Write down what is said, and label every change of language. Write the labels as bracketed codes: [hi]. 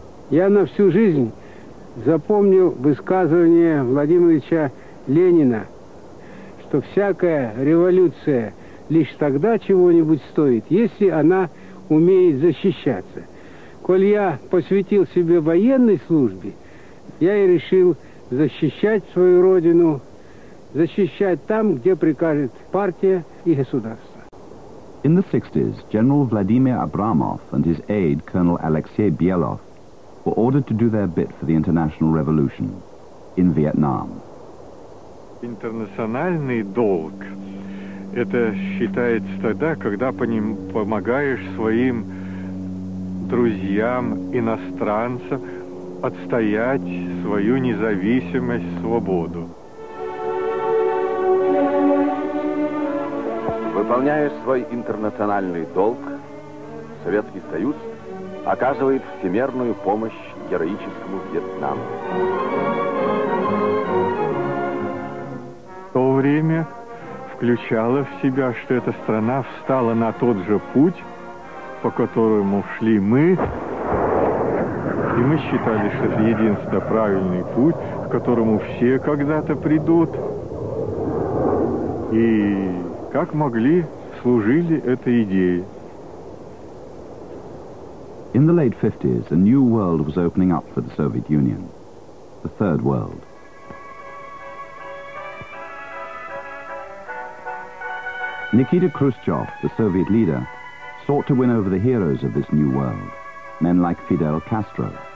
[ru] Я на всю жизнь запомнил высказывание Владимира Ильича Ленина, что всякая революция лишь тогда чего-нибудь стоит, если она умеет защищаться. Коль я посвятил себе военной службе, я и решил защищать свою родину, защищать там, где прикажет партия и государство. [en] In the 60s, General Vladimir Abramov and his aide, Colonel Alexei Bielov, were ordered to do their bit for the international revolution in Vietnam. [ru] Интернациональный долг это считается тогда, когда по ним помогаешь своим друзьям иностранцам отстоять свою независимость, свободу. Выполняя свой интернациональный долг, Советский Союз оказывает всемерную помощь героическому Вьетнаму. В то время включало в себя, что эта страна встала на тот же путь, по которому шли мы, и мы считали, что это единственно правильный путь, к которому все когда-то придут, и как могли, служили этой идее. [en] In the late 50s, a new world was opening up for the Soviet Union, the Third World. Nikita Khrushchev, the Soviet leader, sought to win over the heroes of this new world, men like Fidel Castro.